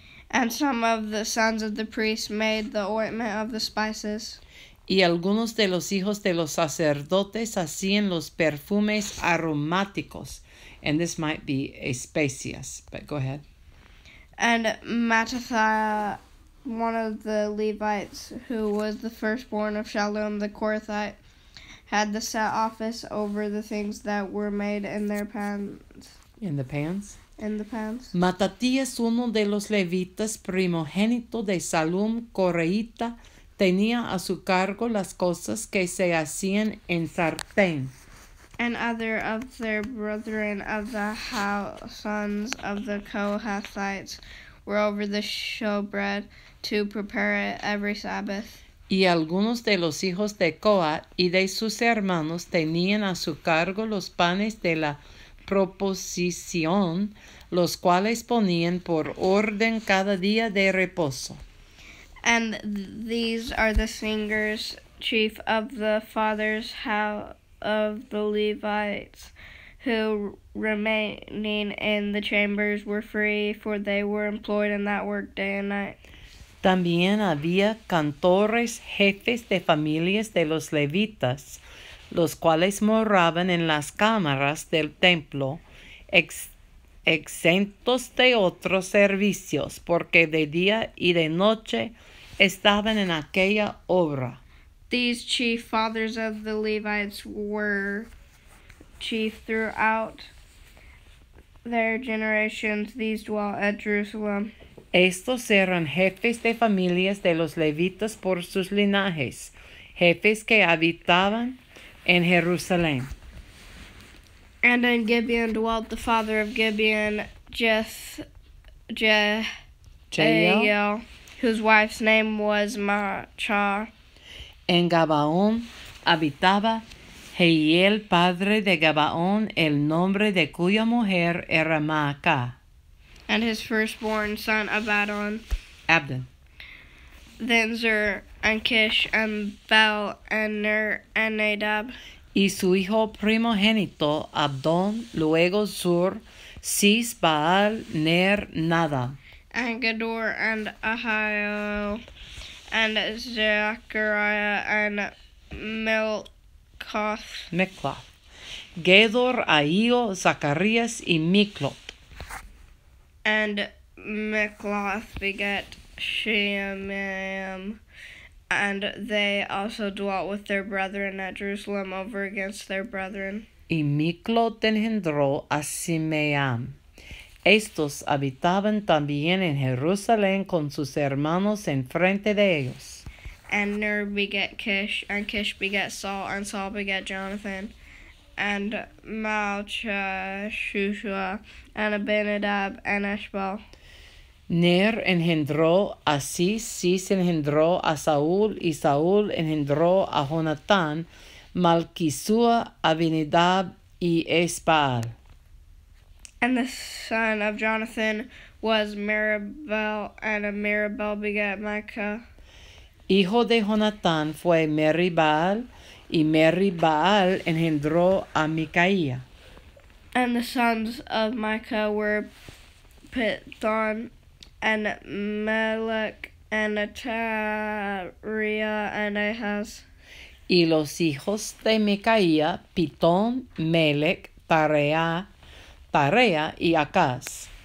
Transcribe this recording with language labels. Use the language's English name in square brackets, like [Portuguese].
[English] And some of the sons of the priests made the ointment of the spices. [Spanish] Y algunos de los hijos de los sacerdotes hacían los perfumes aromáticos. [English] And this might be especias, but go ahead. And Mattathiah, one of the Levites, who was the firstborn of Shalom the Korathite, had the set office over the things that were made in their pans. In the pans? In the pans. [Spanish] Matatías, uno de los levitas primogénito de Salum, Coreita, tenía a su cargo las cosas que se hacían en sartén. [English] And other of their brethren of the sons of the Kohathites were over the showbread to prepare it every Sabbath. [Spanish] Y algunos de los hijos de Coat y de sus hermanos tenían a su cargo los panes de la proposición, los cuales ponían por orden cada día de reposo. [English] And these are the singers, chief of the father's house of the Levites, who remaining in the chambers were free, for they were employed in that work day and night. [Spanish] También había cantores, jefes de familias de los levitas, los cuales moraban en las cámaras del templo, exentos de otros servicios, porque de día y de noche estaban en aquella obra. [English] These chief fathers of the Levites were chief throughout their generations. These dwelt at Jerusalem. [Spanish] Estos eran jefes de familias de los levitas por sus linajes, jefes que habitaban in Jerusalem. [English] And in Gibeon dwelt the father of Gibeon, Jehiel, whose wife's name was Machah. [Spanish] En Gabaón habitaba Jehiel, padre de Gabaón, el nombre de cuya mujer era Maacah. [English] And his firstborn son Abaddon. Abdon. Then Zer, and Kish, and Bel, and Ner, and Nadab. [Spanish] Y su hijo primogénito, Abdon, luego Zur, Sis, Baal, Ner, Nadab. [English] And Gador, and Ahio, and Zechariah, and Milcoth. [Spanish] Mikloth. Gedor, Ahio, Zacharias, y Mikloth. [English] And Mikloth beget Shemaiah, And they also dwelt with their brethren at Jerusalem over against their brethren. [Spanish] Y Miclo engendró a Simeam. Estos habitaban también en Jerusalén con sus hermanos en frente de ellos. [English] And Ner begat Kish, and Kish begat Saul, and Saul begat Jonathan, and Malchishua, and Abinadab, and Eshbal. [Spanish] Ner engendró a Cis, Cis engendró a Saúl, y Saúl engendró a Jonatán, Malchishua, Abinadab, y Eshbal. [English] And the son of Jonathan was Meribel, and Meribel begat Micah. [Spanish] Hijo de Jonatán fue Meribal, y Meribal engendró a Micaiah. [English] And the sons of Micah were Pithon, and Melech, and Atariah, and Ahaz. [Spanish] Y los hijos de Micaiah, Pithon, Melech, Tareah, y Acaz.